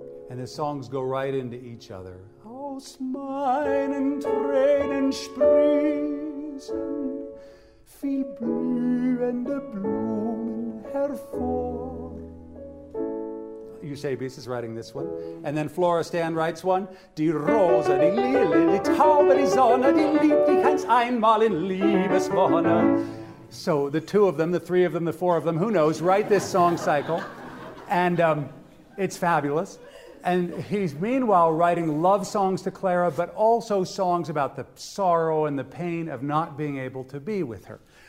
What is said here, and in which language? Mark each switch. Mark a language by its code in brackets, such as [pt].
[en] And the songs go right into each other. [de] Aus meinen Tränen sprießen viel blühende Blumen hervor. [en] Eusebius is writing this one. And then Florestan writes one. [de] Die Rose, die Lilie, die Taube, die Sonne, die liebt dich ganz einmal in Liebeswonne. [en] So the two of them, the three of them, the four of them, who knows, write this song cycle. And it's fabulous. And he's meanwhile writing love songs to Clara, but also songs about the sorrow and the pain of not being able to be with her.